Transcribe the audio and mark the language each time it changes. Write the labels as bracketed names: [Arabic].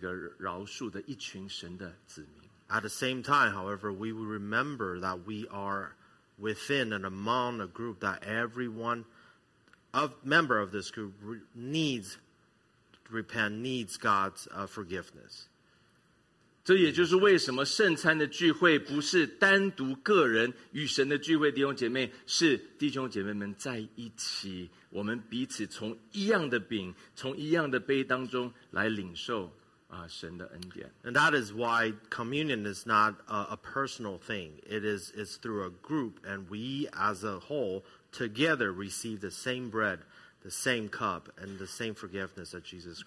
[Chinese] 都是需要蒙神的恩典，蒙神的这个饶恕的一群神的子民。 [English] At the same time, however, we will remember that we are within and among a group that everyone, a member of this group, needs God's forgiveness. [Chinese] 这也就是为什么圣餐的聚会不是单独个人与神的聚会，弟兄姐妹，是弟兄姐妹们在一起，我们彼此从一样的饼，从一样的杯当中来领受神的恩典。 [English] And that is why communion is not a personal thing. It's through a group, and we as a whole together receive the same bread, the same cup, and the same forgiveness that Jesus Christ